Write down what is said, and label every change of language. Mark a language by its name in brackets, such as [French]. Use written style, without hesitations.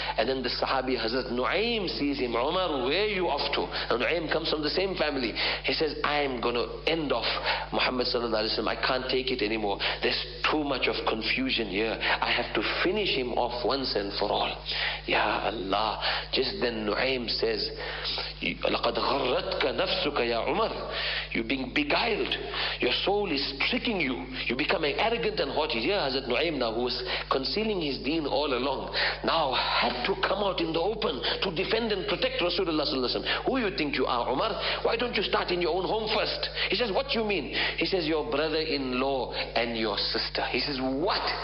[English] And then the Sahabi Hazrat Nu'aym sees him. Umar, where are you off to? And Nu'aym comes from the same family. He says, I'm going to end off Muhammad sallallahu alaihi wasallam. I can't take it anymore. There's too much of confusion here. I have to finish him off once and for all. Ya Allah. Just then Nu'aym says, [Arabic] لَقَدْ غَرَّتْكَ نَفْسُكَ يَا عُمَرُ. [English] You're being beguiled. Your soul is tricking you. You become arrogant and haughty. Here Hazrat Nu'aym now, who was concealing his deen all along, now had to come out in the open to defend and protect Rasulullah sallallahu alaihi wasallam. Who you think you are, Umar? Why don't you start in your own home first? He says, what you mean? He says, your brother-in-law and your sister. He says, what?